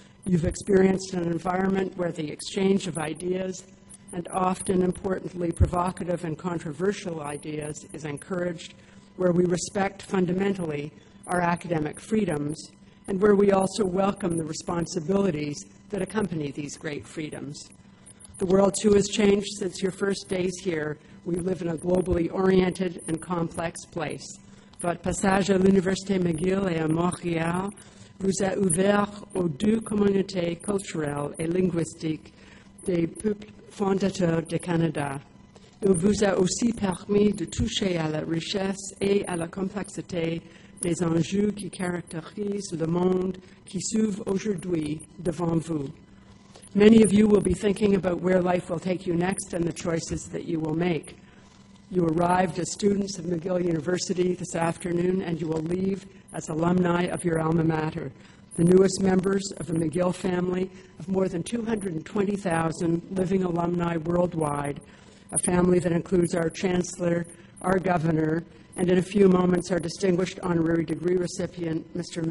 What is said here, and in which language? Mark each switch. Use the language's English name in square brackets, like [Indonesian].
[English] You've experienced an environment where the exchange of ideas, and often importantly provocative and controversial ideas, is encouraged, where we respect fundamentally our academic freedoms, and where we also welcome the responsibilities that accompany these great freedoms. The world too has changed since your first days here. We live in a globally oriented and complex place. [French] Votre passage à l'Université McGill et à Montréal vous a ouvert aux deux communautés culturelles et linguistiques des peuples fondateurs du Canada. Il vous a aussi permis de toucher à la richesse et à la complexité des enjeux qui caractérisent le monde qui s'ouvre aujourd'hui devant vous. [English] Many of you will be thinking about where life will take you next and the choices that you will make. You arrived as students of McGill University this afternoon, and you will leave as alumni of your alma mater, the newest members of a McGill family of more than 220,000 living alumni worldwide, a family that includes our chancellor, our governor, and in a few moments, our distinguished honorary degree recipient, Mr.